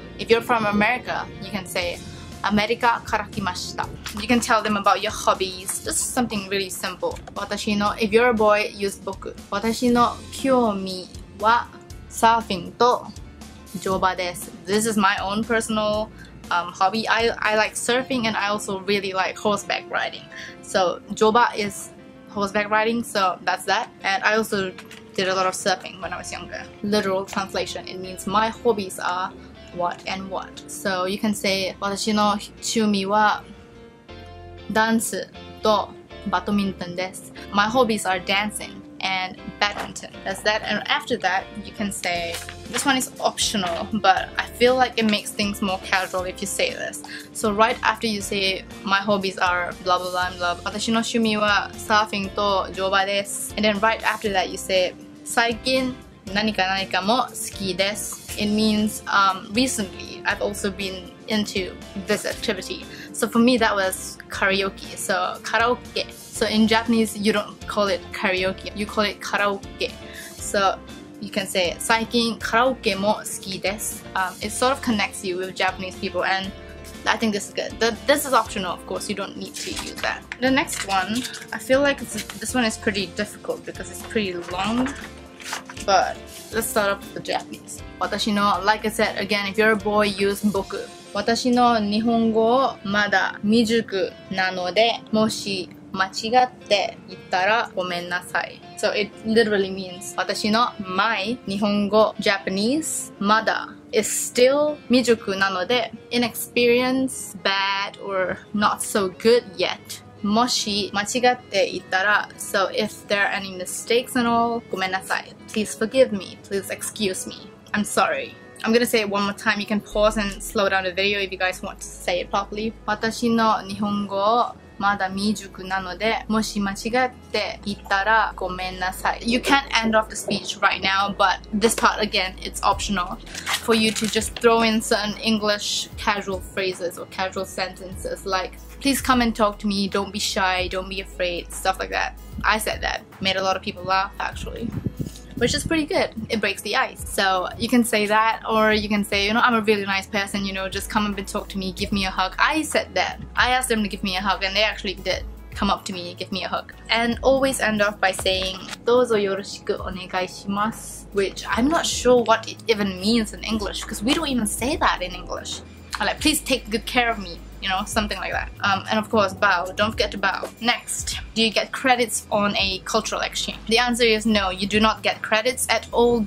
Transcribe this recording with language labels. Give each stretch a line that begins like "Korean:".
English: If you're from America, you can say
Japanese: アメリカから来ました.
English: You can tell them about your hobbies. Just something really simple. 私の, if you're a boy, use 僕.
Japanese: 私の興味はサーフィンと乗馬です.
English: This is my own personal hobby. I like surfing, and I also really like horseback riding. So 乗馬 is horseback riding, so that's that. And I also did a lot of surfing when I was younger. Literal translation, it means my hobbies are what and what. So you can say
Japanese: 私の趣味は
English: dance to badminton desu. My hobbies are dancing and badminton. That's that. And after that, you can say, this one is optional, but I feel like it makes things more casual if you say this. So right after you say, my hobbies are blah blah blah blah blah.
Japanese: 私の趣味はサーフィンと乗馬です.
English: And then right after that, you say,
Japanese: 最近何か何かも好きです.
English: It means, recently, I've also been into this activity. So for me, that was karaoke. So karaoke. So in Japanese, you don't call it karaoke. You call it karaoke. So you can say,
Japanese: 最近カラオケも好きです.
English: It sort of connects you with Japanese people, and I think this is good. This is optional, of course. You don't need to use that. The next one, I feel like this one is pretty difficult because it's pretty long. But let's start off with the Japanese. 私の, like I said, again, if you're a boy, use 僕.
Japanese: 私の日本語まだ未熟なので、もし間違って言ったらごめんなさい。
English: So it literally means 私の my 日本語 Japanese まだ is still 未熟なので inexperienced, bad or not so good yet.
Japanese: もし間違って言ったら
English: So if there are any mistakes and all
Japanese: ごめんなさい
English: Please forgive me, please excuse me. I'm sorry. I'm gonna say it one more time. You can pause and slow down the video if you guys want to say it properly.
Japanese: 私の日本語まだ未熟なので、もし間違って言ったらごめんなさい。
English: You can't end off the speech right now, but this part again, it's optional for you to just throw in certain English casual phrases or casual sentences like, please come and talk to me, don't be shy, don't be afraid, stuff like that. I said that, made a lot of people laugh actually, which is pretty good. It breaks the ice. So you can say that, or you can say, you know, I'm a really nice person, you know, just come up and talk to me, give me a hug. I said that. I asked them to give me a hug, and they actually did come up to me, give me a hug. And always end off by saying,
Japanese: どうぞよろしくお願いします.
English: Which I'm not sure what it even means in English, because we don't even say that in English. I'm like, please take good care of me. You know, something like that. And of course, bow. Don't forget to bow. Next, do you get credits on a cultural exchange? The answer is no, you do not get credits at all.